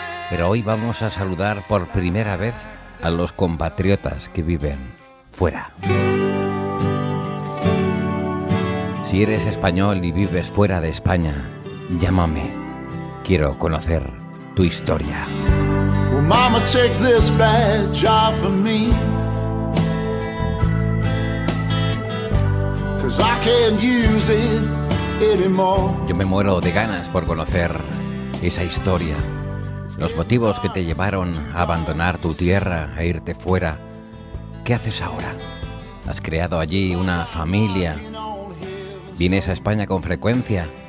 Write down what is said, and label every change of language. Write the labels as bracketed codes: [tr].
[es] Pero hoy vamos a saludar por primera vez a los compatriotas que viven fuera. Si eres español y vives fuera de España, llámame. Quiero conocer tu historia. [en] Mama, take this badge off of me, 'cause I can't use it anymore. [es] Yo me muero de ganas por conocer esa historia, los motivos que te llevaron a abandonar tu tierra, a irte fuera. ¿Qué haces ahora? ¿Has creado allí una familia? ¿Vienes a España con frecuencia?